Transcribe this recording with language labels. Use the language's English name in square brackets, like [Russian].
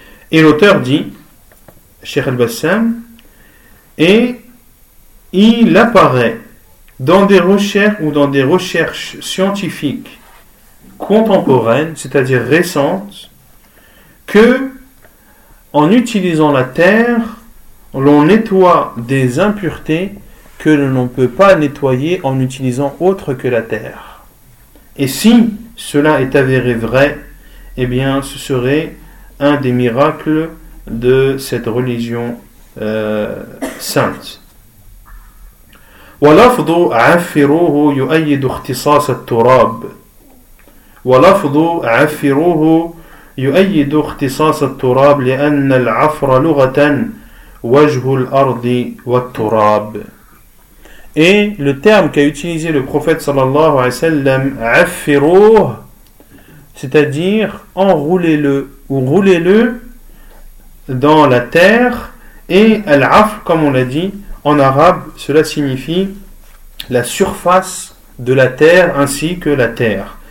[French] Et l'auteur dit, Cheikh Al-Bassam, et il apparaît dans des recherches ou dans des recherches scientifiques contemporaine, c'est-à-dire récente, que en utilisant la terre, l'on nettoie des impuretés que l'on ne peut pas nettoyer en utilisant autre que la terre. Et si cela est avéré vrai, eh bien, ce serait un des miracles de cette religion sainte. [Arabic] ولفظ عفروه يؤيد اختصاص التراب ولفظ عفروه يؤيد اختصاص التراب لأن العفر لغة وجه الأرض والتراب. [French] Et le terme qu'a utilisé le prophète sallallahu alayhi wa sallam, عفروه, c'est-à-dire enroulez-le ou roulez-le dans la terre, et العفر, comme on l'a dit en arabe, cela signifie la surface de la terre ainsi que la terre.